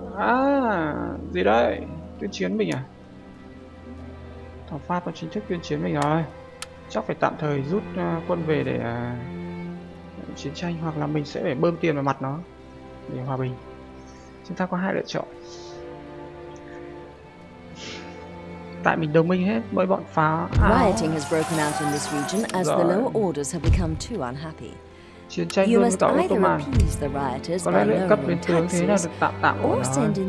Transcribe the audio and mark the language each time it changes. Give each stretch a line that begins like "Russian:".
Vietnamese: À, gì đấy? Tuyên chiến mình à? Thằng Pháp nó chính thức tuyên chiến mình rồi. Chắc phải tạm thời rút quân về để chiến tranh, hoặc là mình sẽ phải bơm tiền vào mặt nó để hòa bình. Chúng ta có hai lựa chọn. Tại mình đồng minh hết mỗi bọn phá.
English: Rioting has broken out in this region as the lower orders have become too unhappy.
Vietnamese: Chiến tranh luôn tạo ra tội mạng. Có lẽ lượng cấp lên tướng thế là được tạm ổn rồi.